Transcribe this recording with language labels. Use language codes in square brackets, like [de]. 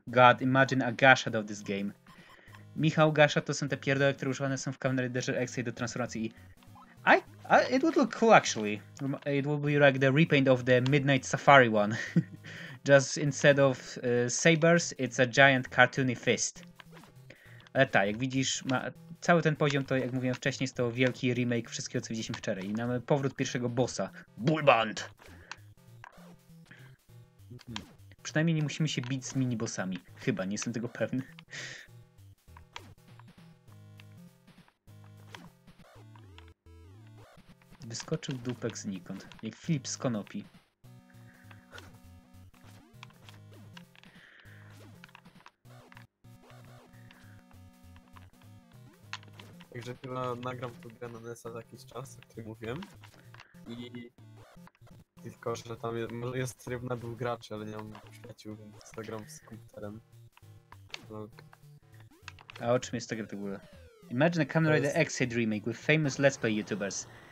[en] God, imagine a gashad of this game. [pl] Michał, gashad to są te pierdole, które używane są w Kamen Rider X-ray do transformacji. [en] I it would look cool, actually. It would be like the repaint of the Midnight Safari one. Just instead of sabers, it's a giant cartoony fist. [pl] Ale tak, jak widzisz, ma... Cały ten poziom to, jak mówiłem wcześniej, jest to wielki remake wszystkiego, co widzieliśmy wczoraj. I mamy powrót pierwszego bossa. Bulband! Przynajmniej nie musimy się bić z minibossami. Chyba, nie jestem tego pewny. Wyskoczył dupek znikąd, jak Filip z konopi. Także chyba nagram tu grę na NES-a za jakiś czas, o którym mówiłem. I... Tylko, że tam jest tryb nabył graczy, ale nie mam przyjaciół, więc to gram z komputerem. No. A o czym jest to gra w ogóle? [en] Imagine a Kamen Rider X-Aid remake with famous Let's Play YouTubers.